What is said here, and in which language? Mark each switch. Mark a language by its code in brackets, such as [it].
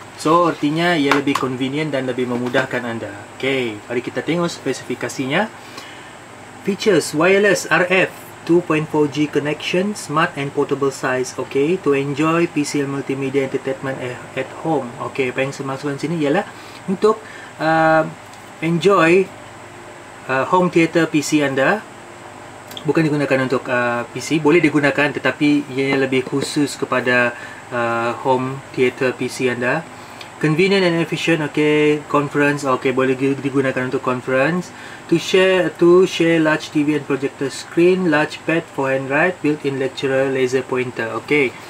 [ms] So, artinya ia lebih convenient dan lebih memudahkan anda. Okay, mari kita tengok spesifikasinya. [en] Features, wireless RF 2.4G connection, smart and portable size. Okay, to enjoy PC and multimedia entertainment at home. [ms] Okay, apa yang saya maksudkan sini ialah untuk enjoy home theater PC anda. Bukan digunakan untuk PC, boleh digunakan, tetapi ianya lebih khusus kepada home theater PC anda. [en] Convenient and efficient, okay. Conference, okay, [ms] boleh digunakan untuk [en] conference. To share large TV and projector screen, large pad for handwrite, built-in lecturer laser pointer, okay.